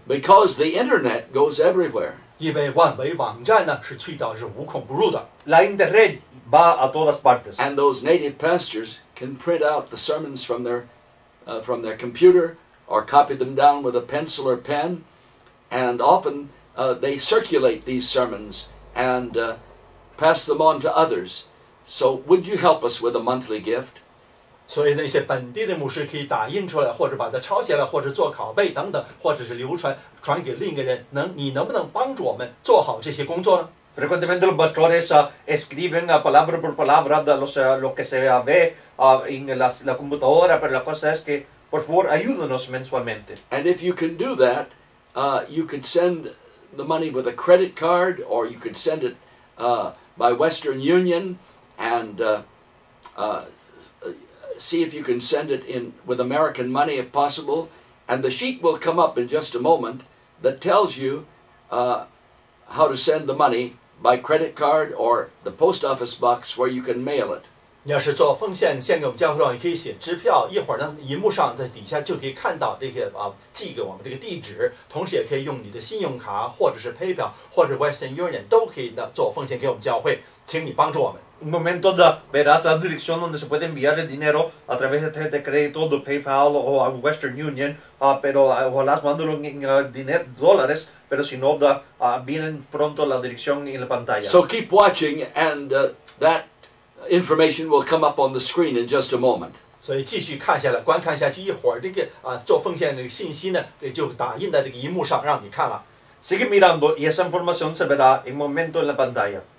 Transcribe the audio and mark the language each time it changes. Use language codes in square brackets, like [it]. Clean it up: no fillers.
[en] Because the internet goes everywhere. [zh] 因为万维网站呢是去到是无孔不入的。 [es] La internet. Va a todas partes. [en] And those native pastors can print out the sermons from their computer or copy them down with a pencil or pen. And often they circulate these sermons and pass them on to others. So would you help us with a monthly gift? [zh] 所以那些本地的牧师可以打印出来，或者把它抄写来，或者做拷贝等等，或者是流传传给另一个人。你能不能帮助我们做好这些工作呢？ [es] Frecuentemente los pastores escriben palabra por palabra de lo que se ve en la computadora, pero la cosa es que, por favor, ayúdenos mensualmente. [en] And if you can do that, you could send the money with a credit card, or you could send it by Western Union, and see if you can send it with American money if possible. And the sheet will come up in just a moment that tells you how to send the money.By credit card or the post office box where you can mail it. [zh] 你要是做奉献献给我们教会的话，你可以写支票，一会儿呢，荧幕上在底下就可以看到这些啊，寄给我们这个地址，同时也可以用你的信用卡或者是 PayPal 或者 Western Union 都可以呢做奉献给我们教会，请你帮助我们。 [es] Un momento de verás la dirección donde se puede enviar el dinero a través de tarjeta de crédito, de PayPal o a Western Union, pero ojalá mándalo en dinero, dólares, pero si no, vienen pronto la dirección en la pantalla. [en] So keep watching and that information will come up on the screen in just a moment. [zh] 所以继续看下来，观看下去，一会儿这个做奉献的信息呢，这就打印在这个荧幕上让你看了。 [es] Sigue mirando y esa información se verá en momento en la pantalla.